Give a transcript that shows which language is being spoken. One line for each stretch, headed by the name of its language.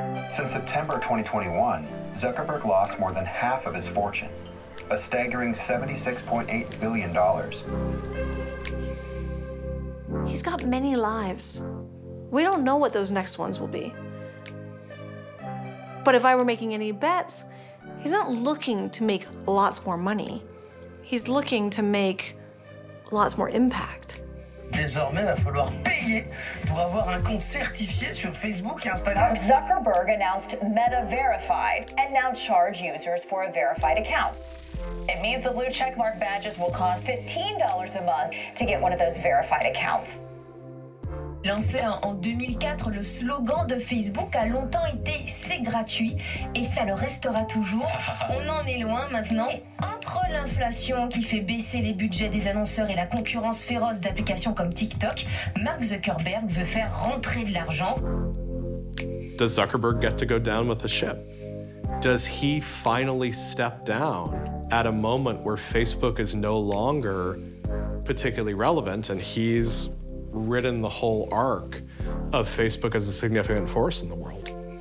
English: Since September 2021, Zuckerberg lost more than half of his fortune, a staggering $76.8 billion. He's got many lives. We don't know what those next ones will be. But if I were making any bets, he's not looking to make lots more money. He's looking to make lots more impact.
French: Désormais, il va falloir payer pour avoir un compte certifié sur Facebook et Instagram.
English: Mark Zuckerberg announced Meta Verified and now charge users for a verified account. It means the blue checkmark badges will cost $15 a month to get one of those verified accounts.
French: Lancé en 2004, le slogan de Facebook a longtemps été « c'est gratuit » et ça le restera toujours. On en est loin maintenant. Entre l'inflation qui fait baisser les budgets des annonceurs et la concurrence féroce d'applications comme TikTok, Mark Zuckerberg veut faire rentrer de l'argent.
English: Does Zuckerberg get to go down with the ship? Does he finally step down at a moment where Facebook is no longer particularly relevant and he's ridden the whole arc of Facebook as a significant force in the world?